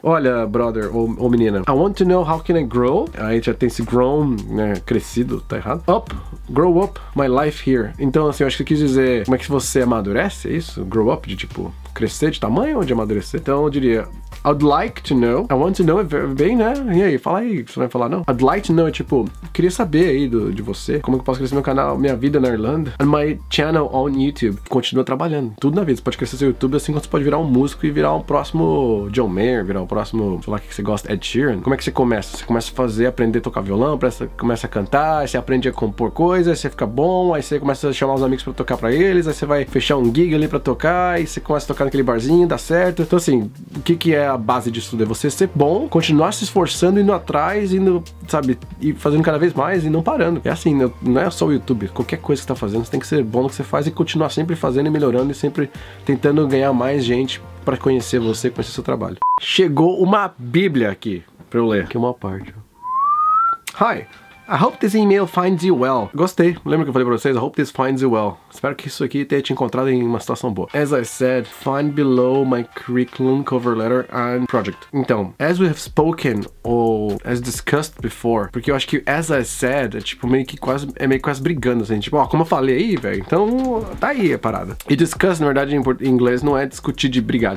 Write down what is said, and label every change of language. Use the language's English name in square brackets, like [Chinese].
[English] Olha, brother, ou menina, I want to know how can I grow. [Portuguese] Aí já tem esse grown, né, crescido, tá errado. [English] Up, grow up my life here. [Portuguese] Então, assim, eu acho que quis dizer como é que você amadurece, é isso? [English] Grow up, [Portuguese] de tipo, crescer de tamanho ou de amadurecer? Então, eu diria, [English] I'd like to know. I want to know [Portuguese] é bem, né? E aí, fala aí, você vai falar não? [English] I'd like to know [Portuguese] é tipo, queria saber aí de você, como que eu posso crescer meu canal, minha vida na Irlanda. [English] And my channel on YouTube. [Portuguese] Continua trabalhando, tudo na vida. Você pode crescer seu YouTube assim quanto você pode virar um músico e virar um próximo John Mayer, virar um próximo, sei lá, que você gosta, Ed Sheeran. Como é que você começa? Você começa a fazer, aprender a tocar violão, começa a cantar, aí você aprende a compor coisas, aí você fica bom, aí você começa a chamar os amigos pra tocar pra eles, aí você vai fechar um gig ali pra tocar, aí você começa a tocar naquele barzinho, dá certo. Então assim, o que que é a base disso tudo? É você ser bom, continuar se esforçando, indo atrás, indo, sabe, e fazendo cada vez mais e não parando. É assim, não é só o YouTube, qualquer coisa que você tá fazendo, você tem que ser bom no que você faz e continuar sempre fazendo e melhorando e sempre tentando ganhar mais gente pra conhecer você, conhecer seu trabalho. Chegou uma bíblia aqui pra eu ler. Aqui é uma parte. [English] Hi, I hope this email finds you well. [Portuguese] Gostei, lembra que eu falei pra vocês? [English] I hope this finds you well. [Portuguese] Espero que isso aqui tenha te encontrado em uma situação boa. [English] As I said, find below my curriculum cover letter and project. [Portuguese] Então, [English] as we have spoken or as discussed before. [Portuguese] Porque eu acho que [English] as I said [Portuguese] é tipo meio que quase, é meio quase brigando assim. Tipo, ó, como eu falei aí, velho? Então, tá aí a parada. E discuss, na verdade, em inglês não é discutir de brigar.